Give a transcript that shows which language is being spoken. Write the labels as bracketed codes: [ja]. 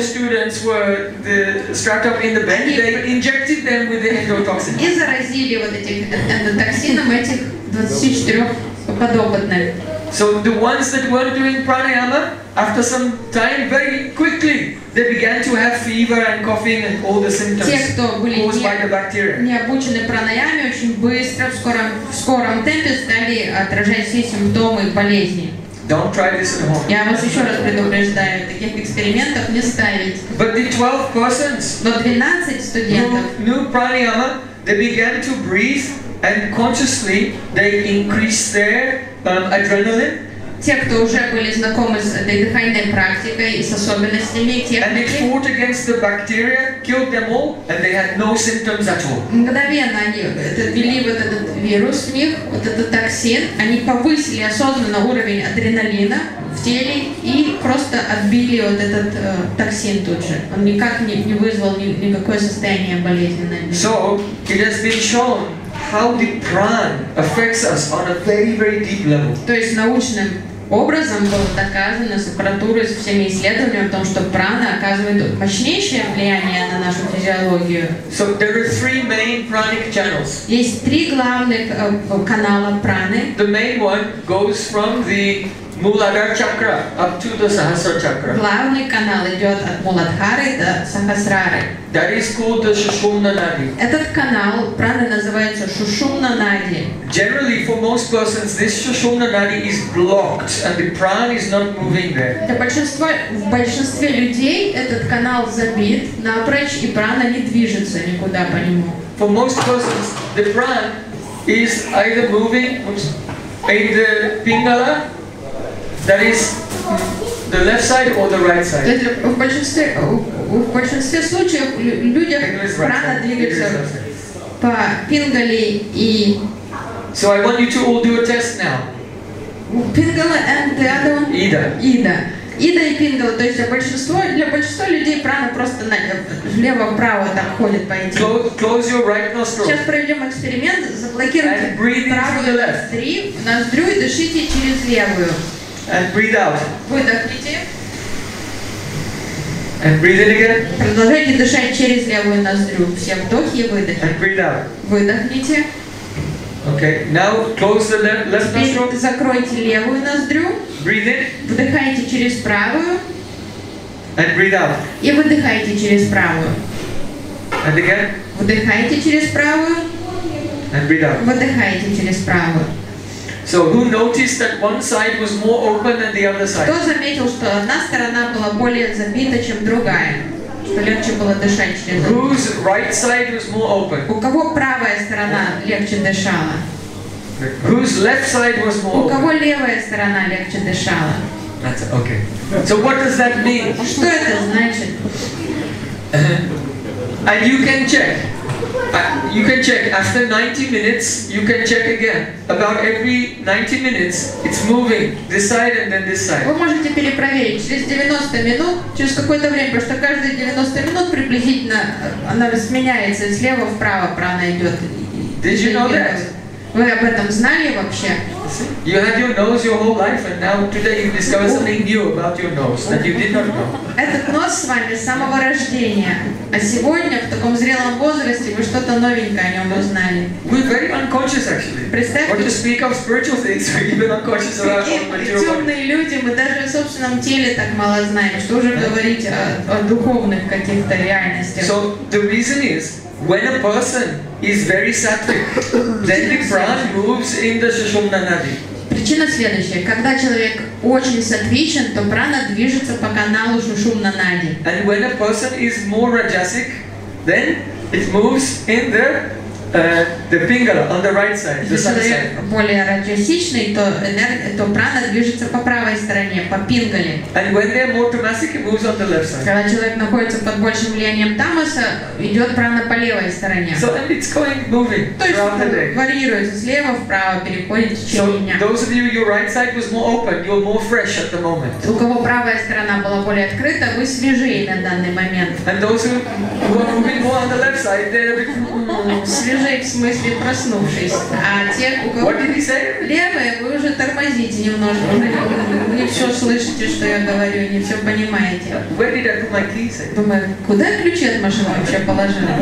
[en] Students were the strapped up in the bed. They injected them with the endotoxin. [ru] И заразили вот этих эндотоксином этих 24 подопытных. [en] So the ones that were doing pranayama, after some time, very quickly, they began to have fever and coughing and all the symptoms caused by the bacteria. [ru] Не обучены пранаяме, очень быстро, в скором темпе стали отражать все симптомы болезни. [en] Don't try this at home. [ru] Я вас еще раз предупреждаю, таких экспериментов не ставить. [en] But the 12 persons, [ru] но 12 студентов, [en] knew pranayama, they began to breathe and consciously they increase their adrenaline. [ru] Те, кто уже были знакомы с этой дыхательной практикой и с особенностями, те, [en] and it fought against the bacteria, killed them all, and they had no symptoms at all. [ru] Мгновенно они ввели вот этот вирус в них, вот этот токсин, они повысили осознанно уровень адреналина в теле и просто отбили вот этот токсин тут же. Он никак не вызвал никакое состояние болезненное. [en] So it has been shown how the prana affects us on a very, very deep level. [ru] То есть научным образом было доказано с аппаратурой, со всеми исследованиями о том, что прана оказывает мощнейшее влияние на нашу физиологию. [en] So there are three main pranic channels. [ru] Есть три главных канала праны. [en] The main one goes from the Muladhara chakra up to the Sahasrara chakra. [ru] Главный канал идет от Muladhara до Sahasrara. [en] That is called the Shushumna Nadi. [ru] Этот канал праны называется Shushumna Nadi. [en] Generally, for most persons, this Shushumna Nadi is blocked, and the prana is not moving there. [ru] Для большинства людей этот канал забит напрочь, и прана не движется никуда по нему. [en] For most persons, the prana is either moving in the pingala. That is the left side or the right side. [ru] В большинстве случаев люди прана двигаются по пингали и. [en] So I want you to all do a test now. Пингала and the other one. [ru] Ида. Ида и пингала. То есть для большинства людей прана просто влево-вправо так ходит по этим. [en] Close your right nostril. [ru] Сейчас проведем эксперимент. Заблокируйте правую [en] left [ru] ноздрю и дышите через левую. [en] And breathe out. [ru] Выдохните. [en] And breathe in again. [ru] Продолжайте дышать через левую ноздрю. Все вдохи и выдохи. [en] And breathe out. [ru] Выдохните. [en] Okay. Now close the left nostril. [ru] Теперь закройте левую ноздрю. [en] Breathe in. [ru] Выдыхайте через правую. [en] And breathe out. [ru] И выдыхайте через правую. [en] And again. [ru] Выдыхайте через правую. [en] And breathe out. [ru] Выдыхайте через правую. [en] So who noticed that one side was more open than the other side? [ru] Кто заметил, что одна сторона была более забита, чем другая, что легче было дышать через? [en] Whose right side was more open? [ru] У кого правая сторона легче дышала? [en] Whose left side was more open? [ru] У кого левая сторона легче дышала? [en] That's okay. So what does that mean? [ru] Что это значит? [en] And you can check. You can check after 90 minutes. You can check again. About every 90 minutes, it's moving this side and then this side. [ru] Вы можете перепроверить через 90 минут, через какое-то время, потому что каждые 90 минут приблизительно она сменяется слева вправо, прана идет. [en] Did you know that? [ru] Вы об этом знали вообще? [en] You had your nose your whole life, and now today you discover something new about your nose that you did not know. [ru] Этот нос с вами с самого рождения, а сегодня в таком зрелом возрасте вы что-то новенькое о нем узнали. [en] We're very unconscious, actually. [ru] Представьте. [en] Or to speak of spiritual things, we're even unconscious of our material. [ru] Какие темные люди, мы даже о собственном теле так мало знаем, что уже говорить о духовных каких-то реальностях. [en] So the reason is. When a person is very sattvic, then the prana moves in the Shushumna Nadi. [ru] Причина следующая: когда человек очень сатвичен, то прана движется по каналу Shushumna Nadi. [en] And when a person is more rajasic, then it moves in the pingala on the right side. [ru] Если человек более раджасичный, то прана движется по правой стороне, по пингале. [en] And when they're more tamasic, it moves on the left side. [ru] Когда человек находится под большим влиянием тамаса, идет прана по левой стороне. [en] So then it's going moving throughout the day. [ru] Варьируется слева вправо, переходит в течение дня. [en] So those of you, your right side was more open, you're more fresh at the moment. [ru] У кого правая сторона была более открыта, вы свежее на данный момент. [en] And those who are moving more on the left side, they're a bit more. [ru] Уже в смысле проснувшись, а те, у кого левые, вы уже тормозите немножко, вы не все слышите, что я говорю, не все понимаете. [en] Where did I put my keys? [ru] Думаю, куда ключи от машины вообще положили?